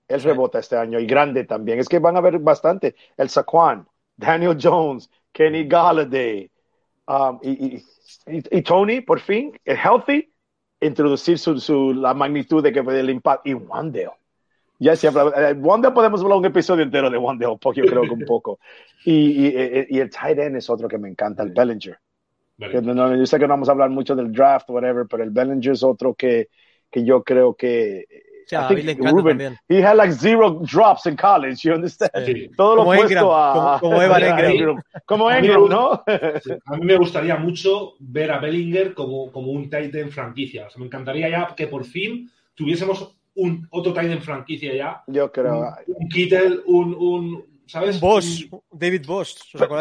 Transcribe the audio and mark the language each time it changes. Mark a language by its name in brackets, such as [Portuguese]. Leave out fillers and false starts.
[Spanish] Él rebota este año y grande también. Es que van a haber bastante. El Saquon, Daniel Jones, Kenny Galladay y Tony, por fin, el healthy, introducir la magnitud de que fue el impacto. Y Wandale. Ya se habla. Wandale, podemos hablar un episodio entero de Wandale, porque yo creo que un poco. Y el tight end es otro que me encanta, el Bellinger. Yo sé que no vamos a hablar mucho del draft, whatever, pero el Bellinger es otro que yo creo que. O sea, le encanta Ruben, también. [English] He had like zero drops in college, you understand? [Spanish] Sí. Todo lo opuesto Ingram, como Evan Engram. Ingram. Como Engram, ¿no? A mí me gustaría mucho ver a Bellinger como un tight end franquicia. O sea, me encantaría ya que por fin tuviésemos otro tight end franquicia ya. Yo creo. Un Kittle, un ¿sabes? Boss, David Boss.